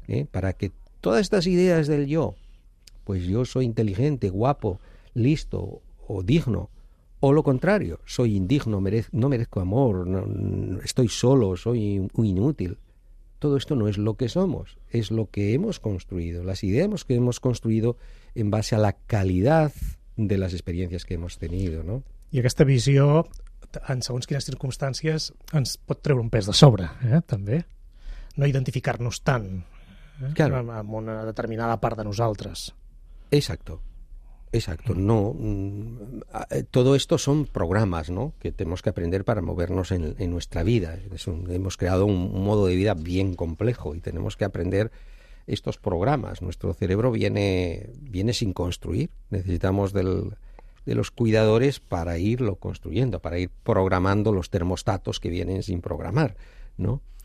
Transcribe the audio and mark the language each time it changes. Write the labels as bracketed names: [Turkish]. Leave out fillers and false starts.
[Spanish] Para que todas estas ideas del yo, pues yo soy inteligente, guapo, listo o digno, o lo contrario, soy indigno, no merezco amor, no, estoy solo, soy inútil. Todo esto no es lo que somos, es lo que hemos construido, las ideas que hemos construido en base a la calidad de las experiencias que hemos tenido, ¿no? [Catalan] I aquesta visió, en segons quines circumstàncies, ens pot treure un pes de sobre, també. No identificar-nos tant, [Spanish] claro, [Catalan] amb una determinada part de nosaltres. [Spanish] Exacto, exacto. No, todo esto son programas, ¿no?, que tenemos que aprender para movernos en nuestra vida. Hemos creado un modo de vida bien complejo y tenemos que aprender estos programas. Nuestro cerebro viene sin construir. Necesitamos de los cuidadores para irlo construyendo, para ir programando los termostatos que vienen sin programar, ¿no?